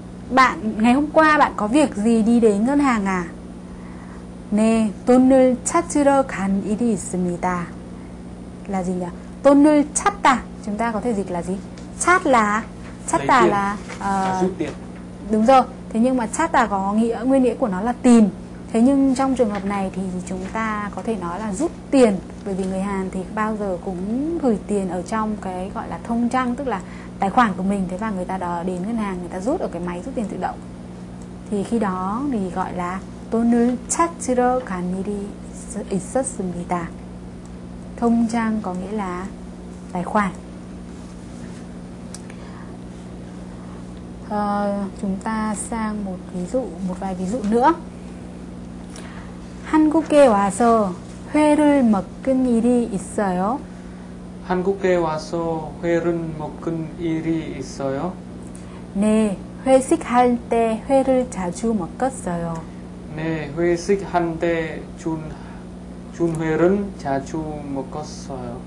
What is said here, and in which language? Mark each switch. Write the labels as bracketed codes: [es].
[vi] Bạn ngày hôm qua bạn có việc gì đi đến ngân hàng à? [ko] 네, 돈을 찾으러 간 일이 있습니다. [vi] Là gì nhỉ? [ko] 돈을 찾다. [vi] Chúng ta có thể dịch là gì? 찾다 là rút tiền. Đúng rồi. Thế nhưng mà 찾다 có nghĩa nguyên nghĩa của nó là tìm. Thế nhưng trong trường hợp này thì chúng ta có thể nói là rút tiền. Bởi vì người Hàn thì bao giờ cũng gửi tiền ở trong cái gọi là thông trang, tức là tài khoản của mình. Thế và người ta đó đến ngân hàng, người ta rút ở cái máy rút tiền tự động. Thì khi đó thì gọi là [ko] 돈을 찾으러 간 일이 있었습니다. [vi] Thông trang có nghĩa là tài khoản. Chúng ta sang một ví dụ, một vài ví dụ nữa. [ko] 한국에 와서 회를 먹은 일이 있어요? 한국에 와서 회를 먹은 일이 있어요? 네, 회식할 때 회를 자주 먹었어요. 네, 회식할 때 준 회를 자주 먹었어요.